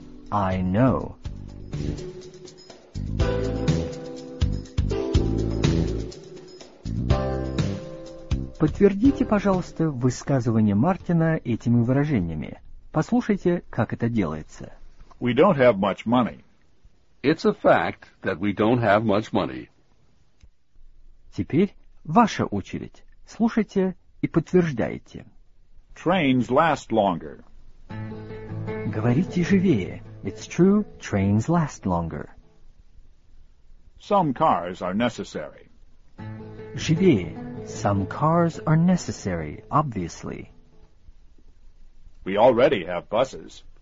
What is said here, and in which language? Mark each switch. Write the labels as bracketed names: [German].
[English] I know. [Russian] Подтвердите, пожалуйста, высказывание Мартина этими выражениями. Послушайте, как это делается. [English] We don't have much money. It's a fact that we don't have much money. [Russian] Теперь ваша очередь. Слушайте и подтверждайте. [English] Trains last longer. [Russian] Говорите живее. [English] It's true, trains last longer. Some cars are necessary. [Russian] Живее. [English] Some cars are necessary, obviously. We already have buses.